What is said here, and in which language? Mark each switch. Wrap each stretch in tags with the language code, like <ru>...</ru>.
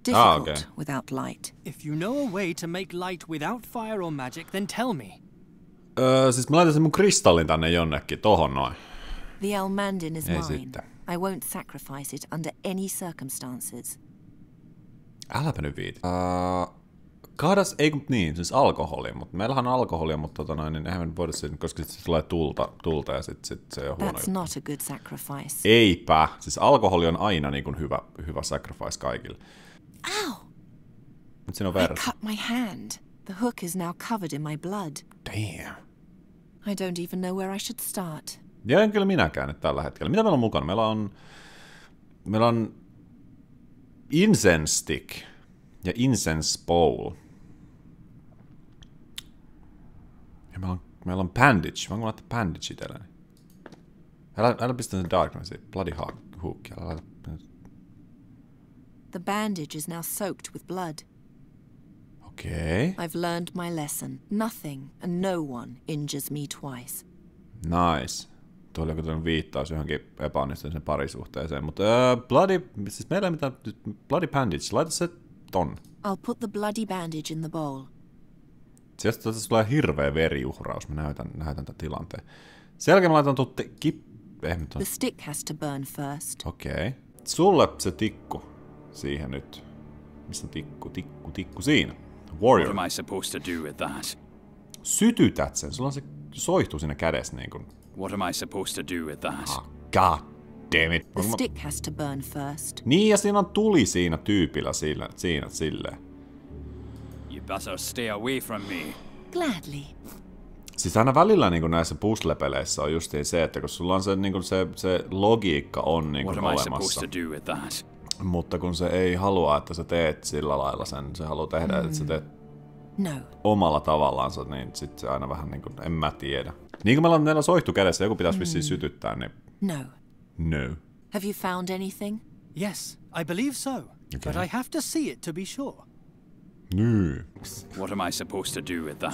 <en>Difficult without light. If you know a way to make light without fire or magic, then tell me.</en> <fi>Siis mä laitan sen mun kristallin tänne jonnekin, tohon noin.</fi> <en>The Elmandin is mine. Sitten. I won't sacrifice it under any circumstances.</en> <fi>Äläpä nyt viit. Kahdas, ei kun niin, siis alkoholia, mutta meillähän on alkoholia, mutta tota noin, niin eihän me voida sitten, koska sitten tulee tulta ja sitten se on huono.</fi> <en>That's not a good sacrifice.</en> <fi>Eipä, siis alkoholi on aina niin kuin hyvä sacrifice kaikille. Ow! Mut siinä on verta.</fi> <en>I cut my hand. The hook is now covered in my blood. Damn. I don't even know where I should start.</en> <fi>Ja en kyllä minäkään nyt tällä hetkellä. Mitä meillä on mukana? Meillä on incense stick. Ja incense bowl. Ja meillä on bandage. Voinko laittaa bandage itselleni? Älä pistä sen darknessi.</fi> <en>Bloody hook. The bandage is now soaked with blood. Okay. I've learned my lesson. Nothing and no one injures me twice. Nice.</en> <fi>Tuo oli joku tämmöinen viittaus johonkin epäonnistuneeseen parisuhteeseen. Mutta siis meillä ei mitään.</fi> <en>Bloody bandage.</en> <fi>Laita se ton.</fi> <en>I'll put the bloody bandage in the bowl.</en> <fi>Sieltä tässä tulee hirveä veriuhraus. Mä näytän tämän tilanteen. Sen jälkeen mä laitan tuotte</fi> <en>The stick has to burn first.</en> <fi>Okei. Okay. Sulle se tikku. Siihen nyt. Missä tikku? Siinä. Warrior.</fi> <en>What am I supposed to do with that?</en> <fi>Sytytät sen. Sulla on se soihtuu siinä kädessä niin kuin.</fi> <en>What am I supposed to do with that? Oh, God. Damn it. The stick has to burn first.</en> <fi>Niin ja siinä on tuli siinä tyypillä sille.</fi> <en>You better stay away from me. Gladly.</en> <fi>Siis aina välillä niinku näissä puzzle-peleissä on justiin se, että kun sulla on se niinku se logiikka on niinku</fi> <en>what</en> <fi>olemassa.</fi> <en>What am I supposed to do with that?</en> <fi>Mutta kun se ei halua, että sä teet sillä lailla sen, se haluaa tehdä, että sä teet no. Omalla tavallaansa, niin sit se aina vähän niinku, en mä tiedä. Niin kuin meillä on soihtu kädessä, joku pitäisi vissiin sytyttää, niin. No. No.</fi> <en>Have you found anything? Yes, I believe so. Okay. But I have to see it to be sure. No. What am I supposed to do with that?</en>